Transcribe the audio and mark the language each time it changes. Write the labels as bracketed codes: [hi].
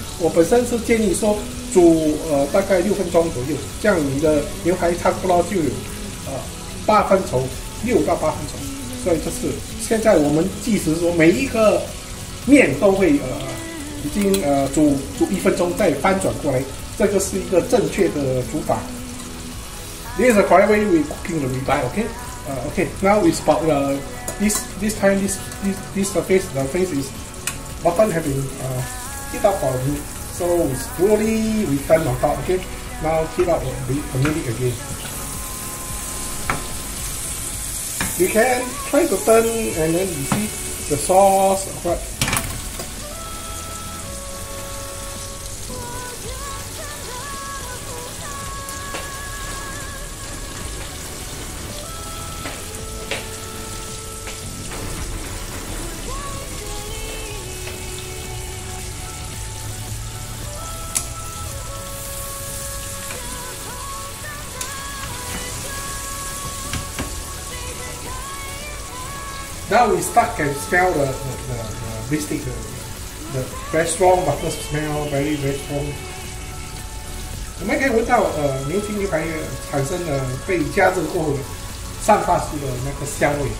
[zh] 我本身是建议说煮大概6分钟左右，这样你的牛排差不多就有8分熟，6到8分熟。所以就是现在我们计时说每一个面都会已经煮1分钟再翻转过来，这就是一个正确的煮法。 [en] This is the correct way we cooking the ribeye, okay? Okay, now it's about this surface, the face is often having heat up for a minute. So slowly we turn on top, okay? Now heat up a minute again. You can try to turn and then you see the sauce, but now we start can smell the beefsteak, the very strong butter smell, very very strong. [zh] 我们可以闻到牛筋牛排产生的被加热过后散发出的那个香味。